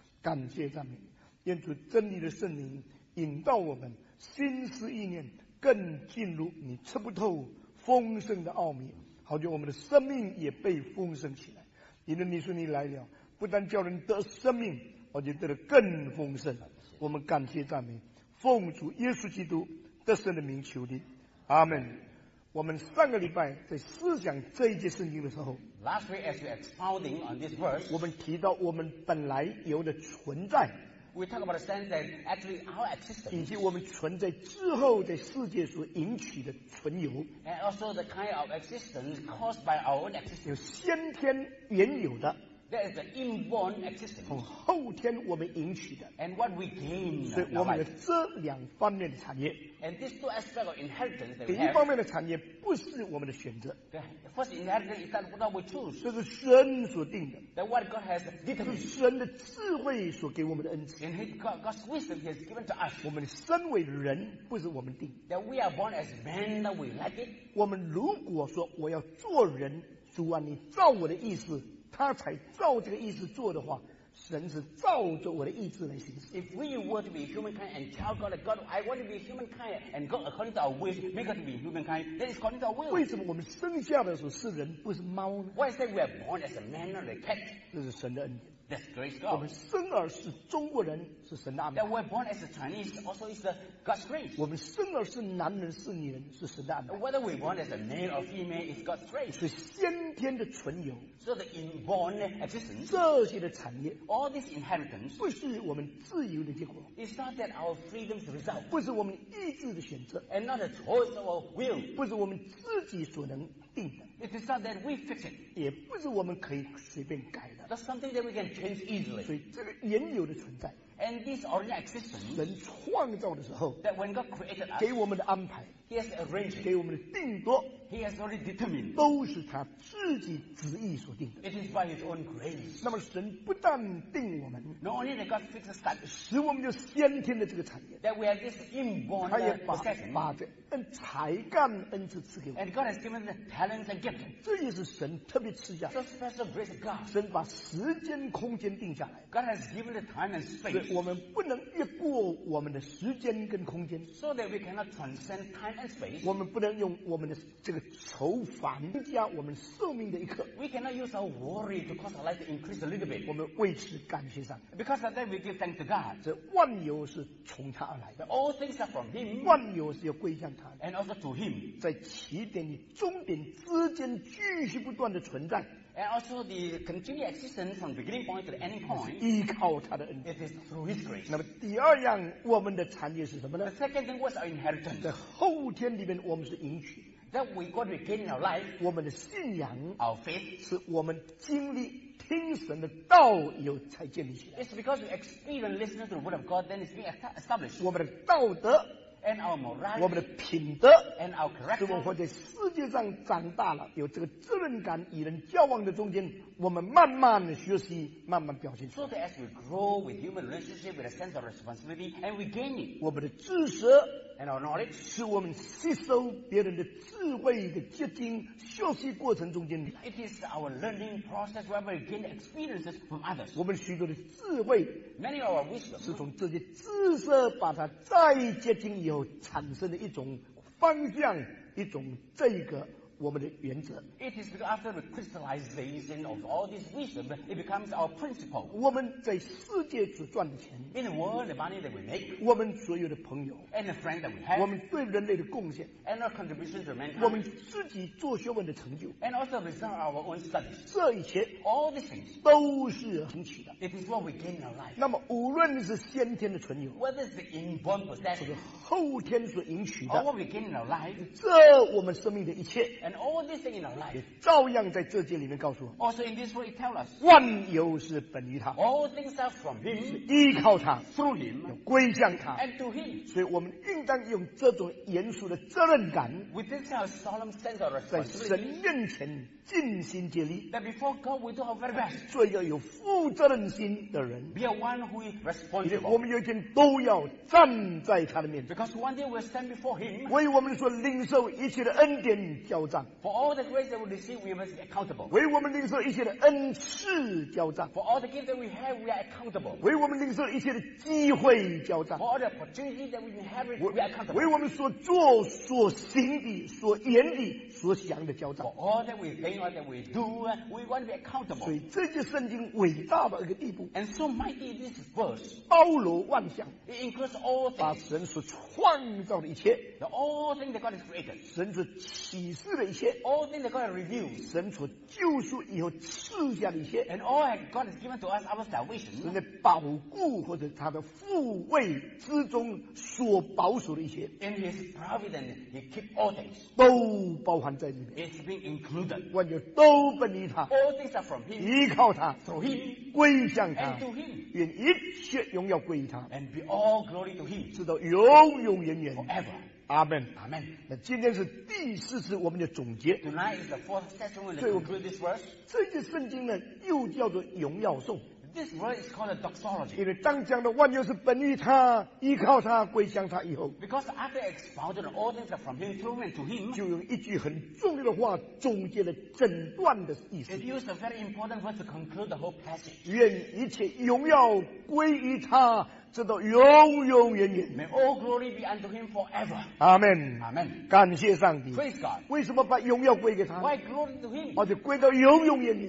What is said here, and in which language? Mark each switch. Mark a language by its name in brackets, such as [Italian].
[Chinese] 感谢赞美，愿主真理的圣灵引导我们心思意念，更进入你吃不透丰盛的奥秘，好叫我们的生命也被丰盛起来。因为你说你来了，不但叫人得生命，而且得了更丰盛。我们感谢赞美，奉主耶稣基督得胜的名求你。阿们。我们上个礼拜在思想这一节圣经的时候， [English] Last week as we expounding on this verse, [Chinese] 我们提到我们本来有的存在， [English] We talk about the sense that actually our existence, [Chinese] 以及我们存在之后在世界所引起的存有， [English] And also the kind of existence caused by our own existence, [Chinese] 有先天原有的， [English] That is the inborn existence. [Chinese] 从后天我们赢取的。 [English] And what we gain. [Chinese] 所以我们有这两方面的产业。 [English] And these two aspects of inheritance that we have. [Chinese] 第一方面的产业不是我们的选择。 [English] The first inheritance is that what we choose. [Chinese] 这是神所定的。 [English] That what God has determined. [Chinese] 是神的智慧所给我们的恩赐。 [English] And God's wisdom he has given to us. [Chinese] 我们身为人不是我们定。 [English] That we are born as men that we like it. [Chinese] 我们如果说我要做人，主啊你照我的意思，他才照这个意思做的话，神是照着我的意志来行事。 [English] If we were to be humankind and tell God, God, I want to be humankind and God according to our wish, make us to be humankind, that is according to our will. [Chinese] 为什么我们生下的时候是人不是猫呢？ [English] Why is that we are born as a man or a cat? [Chinese] 这是神的恩典。 [English] That's grace God. [Chinese] 我们生而是中国人是神的安排。 [English] That we are born as a Chinese also is the God's grace. [Chinese] 我们生而是男人是女人是神的安排。 [English] Whether we are born as a male or female is God's grace. [Chinese] 是先天的存有。 [English] So the inborn existence. [Chinese] 这些的产业。 [English] All this inheritance. [Chinese] 不是我们自由的结果。 [English] It's not that our freedom's result. [Chinese] 不是我们意志的选择。 [English] And not the choice of our will. [Chinese] 不是我们自己所能定的。 [English] It is not that we fix it. [Chinese] 也不是我们可以随便改的。 [English] That's something that we can change easily. [Chinese] 所以这个原有的存在。 [English] And this original existence. [Chinese] 人创造的时候。 [English] That when God created us. [Chinese] 给我们的安排。 [English] He has arranged. [Chinese] 给我们的定夺。 [English] He has already determined. [Chinese] 都是他自己旨意所定的。 [English] It is by his own grace. [Chinese] 那么神不但定我们。 [English] Not only that God fixes us. [Chinese] 使我们就先天的这个产业。 [English] That we have this inborn possession. [Chinese] 他也把这才干恩赐赐给我们。 [English] And God has given the talents and gifts. [Chinese] 这也是神特别赐下。 [English] So special grace of God. [Chinese] 神把时间空间定下来。 [English] God has given the time and space. [Chinese] 我们不能越过我们的时间跟空间。 [English] So that we cannot transcend time and space. [Chinese] 我们不能用我们的这个愁烦加我们寿命的一刻。 [English] We cannot use our worry to cause our life to increase a little bit. [Chinese] 我们为此感谢上。 [English] Because of that we give thanks to God. [Chinese] 这万有是从他而来的。 [English] All things are from him. [Chinese] 万有是要归向他的。 [English] And also to him. [Chinese] 在起点与终点之间继续不断的存在。 [English] And also the continued existence from beginning point to the ending point. [Chinese] 依靠他的恩典。 [English] It is through His grace. [Chinese] 那么第二样，我们的产业是什么呢 [English] ？The second thing was our inheritance. [Chinese] 在后天里面，我们是赢取。 [English] That we got to gain in our life. [Chinese] 我们的信仰。 [English] Our faith. [Chinese] 是我们经历听神的道有才建立起来。 [English] It's because we experience listening to the word of God, then it's being established. [Chinese] 我们的道德。 [English] And our morality, [Chinese] 我们的品德 [English] and our character, [Chinese] 是我们在世界上长大了有这个责任感与人交往的中间我们慢慢的学习慢慢表现出来 [English] so that as we grow with human relationship with a sense of responsibility and we gain it [Chinese] 我们的知识 [English] and our knowledge [Chinese] 是我们吸收别人的智慧的结晶学习过程中间 [English] it is our learning process where we gain experiences from others [Chinese] 我们许多的智慧 [English] many of our wisdom [Chinese] 是从这些知识把它再结晶有产生的一种方向一种这个我们的原则 [English] It is because after the crystallization of all this wisdom it becomes our principle [Chinese] 我们在世界只赚钱 [English] In the world the money that we make [Chinese] 我们所有的朋友 [English] And the friend that we have [Chinese] 我们对人类的贡献 [English] And our contribution to mankind [Chinese] 我们自己做学问的成就 [English] And also the result of our own studies [Chinese] 这一切 [English] All these things [Chinese] 都是争取的 [English] It is what we gain in our life [Chinese] 那么无论是先天的存有 [English] Whether it's the inborn possession [Chinese] 就是后天所赢取的 [English] Or what we gain in our life [Chinese] 这我们生命的一切 [English] And all these things in our life [Chinese] 也照样在这节里面告诉我 [English] Also in this way it tells us [Chinese] 万有是本于他 [English] All things are from him [Chinese] 是依靠他 [English] Through him [Chinese] 要归向他 [English] And to him [Chinese] 所以我们应当用这种严肃的责任感 [English] With this kind of solemn sense of responsibility [Chinese] 在神面前尽心竭力 [English] That before God we do our very best [Chinese] 做一个有负责任心的人 [English] Be a one who is responsible [Chinese] 我们有一天都要站在他的面前 [English] Because one day we'll stand before him [Chinese] 为我们所领受一切的恩典交账 [English] For all the grace that we receive we must be accountable [Chinese] 为我们领受一切的恩赐交账 [English] For all the gifts that we have we are accountable [Chinese] 为我们领受一切的机会交账 [English] For all the opportunities that we inherit we are accountable [Chinese] 为我们所做所行的所言的所想的交账 [English] For all that we think or that we do we want to be accountable [Chinese] 所以这就是圣经伟大的一个地步 [English] And so mighty this verse [Chinese] 包罗万象 [English] It includes all things [Chinese] 把神所创造的一切 [English] The all things that God has created [Chinese] 神所启示的一切 [English] All things that God has revealed [Chinese] 神所救赎以后赐下的一切 [English] And all that God has given to us our salvation [Chinese] 神在保护或者他的护卫之中所保守的一切 [English] In his providence he keeps all things [Chinese] 都包含在里面 [English] It's been included [Chinese] 万有都本于他 [English] All things are from him [Chinese] 依靠他 [English] Through him [Chinese] 归向他 [English] And to him [Chinese] 愿一切荣耀归于他 [English] And be all glory to him [Chinese] 直到永永远远 [English] Forever [Chinese] 阿们，阿们。那今天是第四次我们的总结。 [English] Tonight is the fourth session when they conclude this verse. [Chinese] 这句圣经呢，又叫做荣耀颂。 [English] This verse is called a doxology. [Chinese] 因为当讲的万有是本于他，依靠他，归向他以后。 [English] Because after expounded all things are from him, through him, to him. [Chinese] 就用一句很重要的话总结了整段的意思。 [English] It used a very important verse to conclude the whole passage. [Chinese] 愿一切荣耀归于他。直到永永远远。 [English] May all glory be unto him forever. Amen. Amen. [Chinese] 感谢上帝。 [English] Praise God. [Chinese] 为什么把荣耀归给他 [English] ？Why glory to him? [Chinese] 而且归到永永远远。